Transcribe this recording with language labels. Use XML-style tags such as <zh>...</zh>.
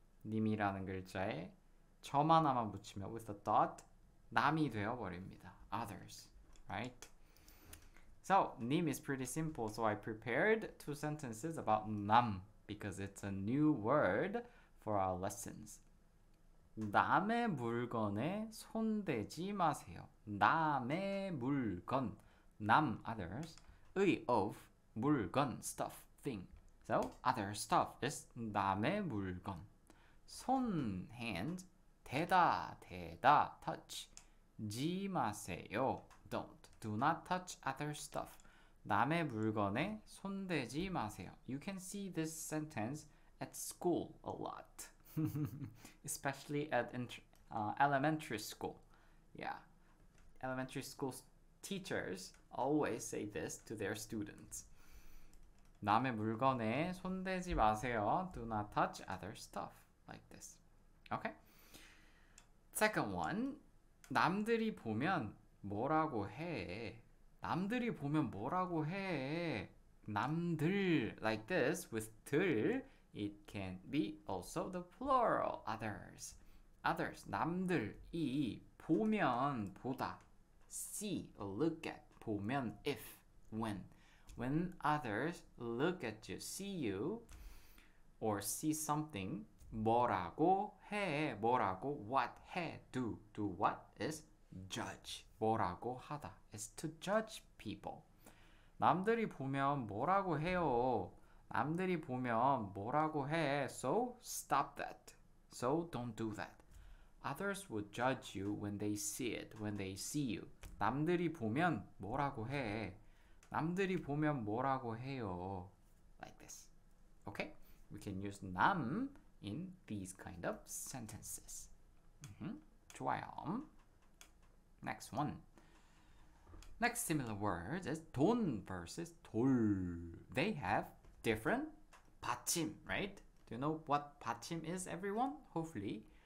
<ko>님이라는 글자에 저만 아마 붙이면</ko> <en>with a dot</en> <ko>남이 되어버립니다.</ko> <en>Others, right? So, 님 is pretty simple. So I prepared two sentences about 남 because it's a new word for our lessons.</en> <ko>남의 물건에 손대지 마세요. 남의 물건, 남, others, 의, of, 물건, stuff, thing.</ko> <en>So, other stuff is 남의 물건. 손, hand, 대다, 대다, touch, 지 마세요. Don't. Do not touch other stuff.</en> <ko>남의 물건에 손대지 마세요.</ko> <en>You can see this sentence at school a lot. Especially at elementary school. Yeah. Elementary school teachers always say this to their students.</en> <ko>남의 물건에 손대지 마세요.</ko> <en>Do not touch other stuff. Like this. Okay? Second one.</en> <ko>남들이 보면 뭐라고 해? 남들이 보면 뭐라고 해?</ko> <en>남들. Like this. With 들. It can be also the plural. Others. Others.</en> <ko>남들이 보면 보다.</ko> <en>See. Look at. 보면 if. When. When others look at you, see you, or see something,</en> <ko>뭐라고 해, 뭐라고,</ko> <en>what, 해, do. Do what is judge. 뭐라고 하다 is to judge people.</en> <ko>남들이 보면 뭐라고 해요. 남들이 보면 뭐라고 해.</ko> <en>So stop that. So don't do that. Others would judge you when they see it, when they see you.</en> <ko>남들이 보면 뭐라고 해. 남들이 보면 뭐라고 해요?</ko> <en>Like this. Okay? We can use 남 in these kind of sentences. Mm-hmm.</en> <ko>좋아요.</ko> <en>Next one. Next similar word is 돈 versus 돌. They have different 받침, right? Do you know what 받침 is, everyone? Hopefully.</en>